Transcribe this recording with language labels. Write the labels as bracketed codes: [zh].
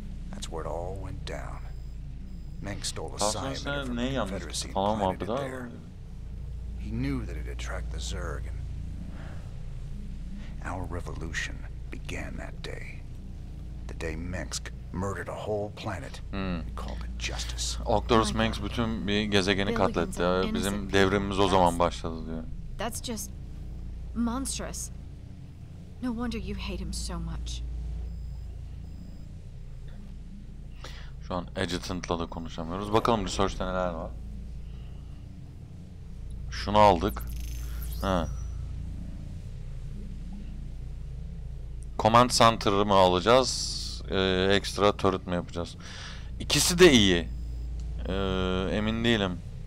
[en] That's where it all went down. Mengsk stole a scythe. He knew that it'd attract the Zerg. And our revolution began that day. The day Mengsk murdered a whole planet. Called it justice. [tr] Octorus Mengsk bütün bir gezegeni katletti. Bizim devrimimiz o zaman başladı diyor. [en] That's just monstrous. No wonder you hate him so much. [tr] Şu an Adjutant'la da konuşamıyoruz. Bakalım research'te neler var. Şunu aldık. Ha. Command Center'ı mı alacağız? Ekstra turret mi yapacağız? İkisi de iyi. Emin değilim.